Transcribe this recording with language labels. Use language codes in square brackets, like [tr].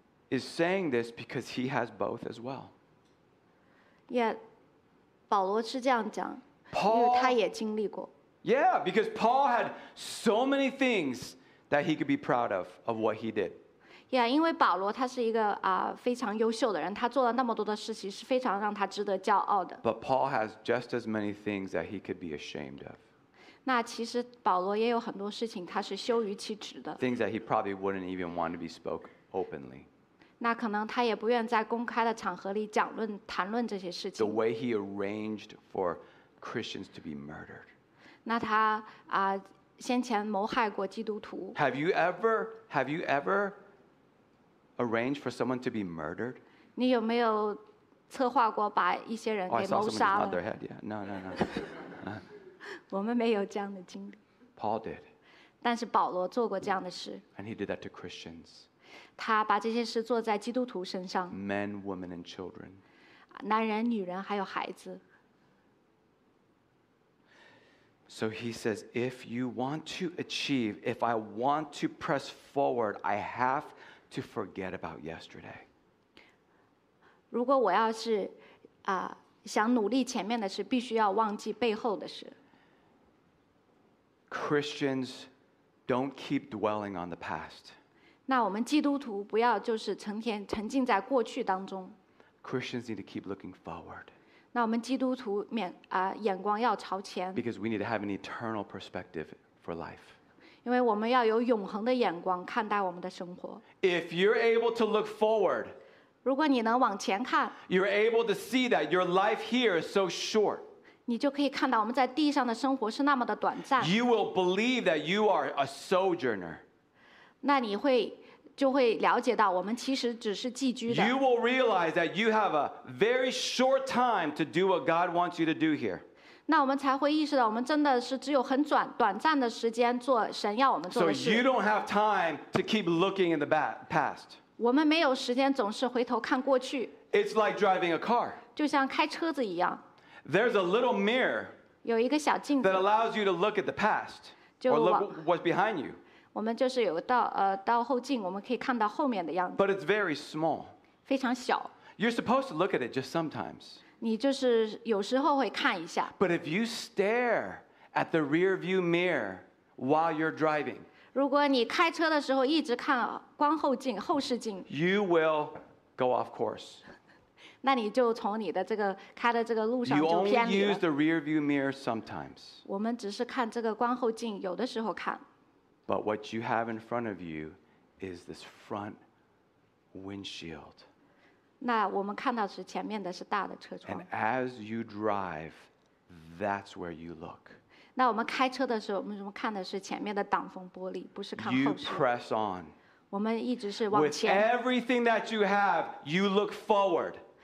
[en] Is saying this because he has both as well. Yeah, [zh] 保罗是这样讲， [en] Paul, [zh] 因为他也经历过。 [en] Yeah, because Paul had so many things that he could be proud of what he did. Yeah, [zh] 因为保罗他是一个非常优秀的人，他做了那么多的事情是非常让他值得骄傲的。 [en] But Paul has just as many things that he could be ashamed of. [zh] 那其实保罗也有很多事情他是羞于启齿的。 [en] Things that he probably wouldn't even want to be spoke openly. [zh] 那可能他也不愿在公开的场合里讲论、谈论这些事情。 [en] The way he arranged for Christians to be murdered. [zh] 那他啊，先前谋害过基督徒。 [en] Have you ever arranged for someone to be murdered? [zh] 你有没有策划过把一些人给谋杀了？ [en] Oh, I saw someone nod their head. Yeah. No. [zh] 我们没有这样的经历。 [en] Paul did. [zh] 但是保罗做过这样的事。 [en] And he did that to Christians. [zh] 他把这些事做在基督徒身上。 [en] Men, women, and children. [zh] 男人、女人还有孩子。 [en] So he says, if you want to achieve, if I want to press forward, I have to forget about yesterday. [zh] 如果我要是啊想努力前面的事，必须要忘记背后的事。 [en] Christians don't keep dwelling on the past. [zh] 那我们基督徒不要就是成天沉浸在过去当中。 [en] Christians need to keep looking forward. [zh] 那我们基督徒眼光要朝前。 [en] Because we need to have an eternal perspective for life. [zh] 因为我们要有永恒的眼光看待我们的生活。 [en] If you're able to look forward, [zh] 如果你能往前看， [en] you're able to see that your life here is so short. [zh] 你就可以看到我们在地上的生活是那么的短暂。 [en] You will believe that you are a sojourner. [zh] 那你会就会了解到我们其实只是寄居的。 [en] You will realize that you have a very short time to do what God wants you to do here. [zh] 那我们才会意识到我们真的是只有很短暂的时间做神要我们做的事。 [en] So you don't have time to keep looking in the past. [zh] 我们没有时间总是回头看过去。 [en] It's like driving a car. [zh] 就像开车子一样。 [en] There's a little mirror. [zh] 有一个小镜子。 [en] That allows you to look at the past. Or look what's behind you. [zh] 我们就是有道道后镜，我们可以看到后面的样子。 [en] But it's very small. [zh] 非常小。 [en] You're supposed to look at it just sometimes. [zh] 你就是有时候会看一下。 [en] But if you stare at the rearview mirror while you're driving, [zh] 如果你开车的时候一直看光后镜、后视镜， [en] you will go off course. [zh] 那你就从你的这个开的这个路上就偏离了。 [en] You only use the rearview mirror sometimes. [zh] 我们只是看这个光后镜，有的时候看。 [en] But what you have in front of you is this front windshield. [zh] 那我们看到是前面的是大的车窗。 [en] And as you drive, that's where you look. [zh] 那我们开车的时候，我们看的是前面的挡风玻璃，不是看后视。 [en] You press on. [zh] 我们一直是往前。 [en] With everything that you have, you look forward.